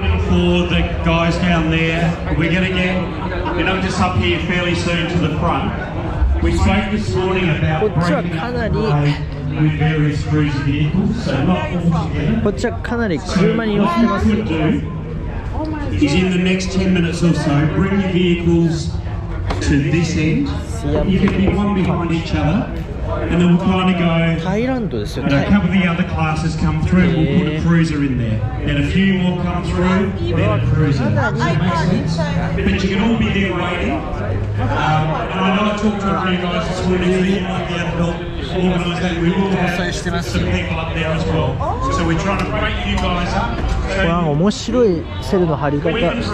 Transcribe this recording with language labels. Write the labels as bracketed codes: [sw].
[en] For the guys down there, we're going to get, you know, just up here fairly soon to the front. We spoke this morning about bringing various crews of vehicles, so not all together. [ja] こっちはかなり車に寄ってますね。 [en] Is in the next 10 minutes or so, bring your vehicles to this end. You can be one behind each other. And then we'll kind of go. Thailand, is it? And a couple of the other classes come through. We'll put a cruiser in there. Then a few more come through. Then a cruiser. But you can all be there waiting. And I know I talked to a few guys this morning. So you might be able to help organise that. We will have some people up there as well. So we're trying to break you guys up. [ja] わあ、面白いセルの貼り方してる。